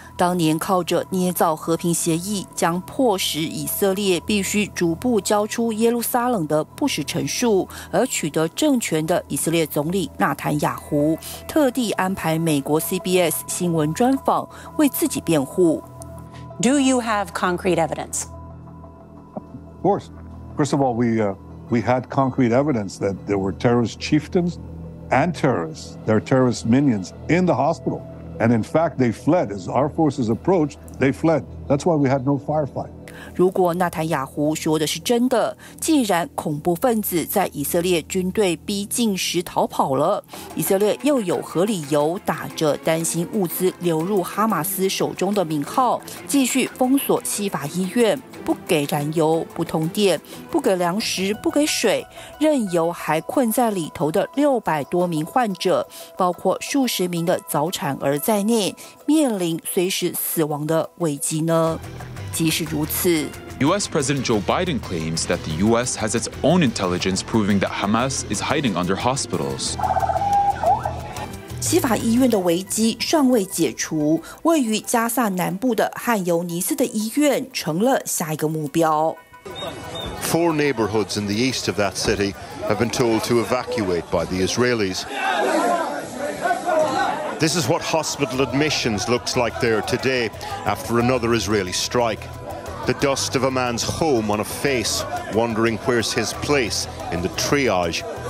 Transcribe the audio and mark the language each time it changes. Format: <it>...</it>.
<zh>当年靠着捏造和平协议将迫使以色列必须逐步交出耶路撒冷的布什陈述而取得政权的以色列总理纳坦雅胡，特地安排美国 CBS 新闻专访为自己辩护。</zh> <en>Do you have concrete evidence? Of course. First of all, we had concrete evidence that there were terrorist chieftains and terrorists, their terrorist minions, in the hospital. And in fact, they fled. As our forces approached, they fled. That's why we had no firefight.</en> <zh>如果纳坦雅胡说的是真的，既然恐怖分子在以色列军队逼近时逃跑了，以色列又有何理由打着担心物资流入哈马斯手中的名号，继续封锁西法医院，不给燃油，不通电，不给粮食，不给水，任由还困在里头的600多名患者，包括数十名的早产儿在内，面临随时死亡的危机呢？即使如此，</zh> <en>US President Joe Biden claims that the US has its own intelligence proving that Hamas is hiding under hospitals.</en> <zh>西法医院的危机尚未解除，位于加萨南部的汉尤尼斯的医院成了下一个目标。</zh> <en>Four neighborhoods in the east of that city have been told to evacuate by the Israelis. This is what hospital admissions looks like there today after another Israeli strike. The dust of a man's home on a face, wondering where's his place in the triage.</en>